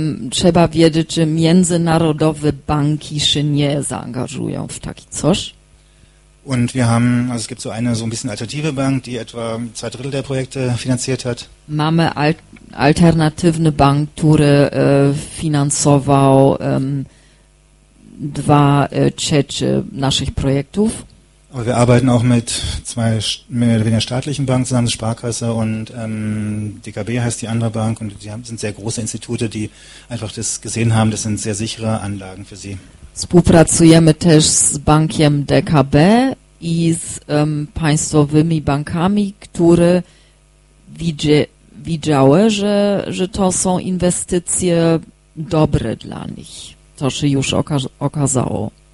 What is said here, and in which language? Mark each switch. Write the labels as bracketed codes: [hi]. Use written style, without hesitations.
[pl] Trzeba wiedzieć, że międzynarodowe banki się nie zaangażują w taki coś. [de] Und wir haben, also es gibt so eine so ein bisschen alternative Bank, die etwa zwei Drittel der Projekte finanziert hat. [pl] Mamy alternatywny bank, który finansował dwa trzecie naszych projektów. [de] Aber wir arbeiten auch mit zwei mehr oder weniger staatlichen Banken zusammen, Sparkasse und DKB heißt die andere Bank und die sind sehr große Institute, die einfach das gesehen haben, das sind sehr sichere Anlagen für sie. [pl] Współpracujemy też z bankiem DKB i z państwowymi bankami, które widziały, że to są inwestycje dobre dla nich. To się już okazało.